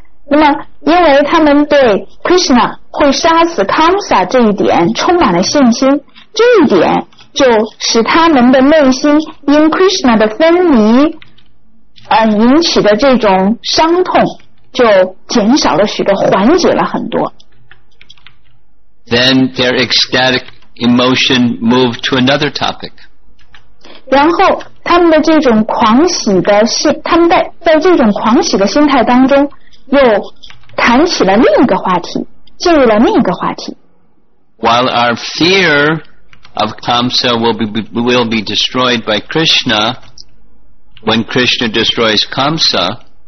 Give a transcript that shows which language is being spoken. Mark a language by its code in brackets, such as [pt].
[zh] 那么因为他们对 Krishna 会杀死 Kamsa 这一点充满了信心, 这一点就使他们的内心因 Krishna 的分离引起的这种伤痛就减少了许多，缓解了很多。 [en] Then their ecstatic emotion moved to another topic. [zh] 然后他们的这种狂喜的心，他们在这种狂喜的心态当中。又谈起了另一个话题，进入了另一个话题。 [en] While our fear of Kamsa will be destroyed by Krishna, when Krishna destroys Kamsa,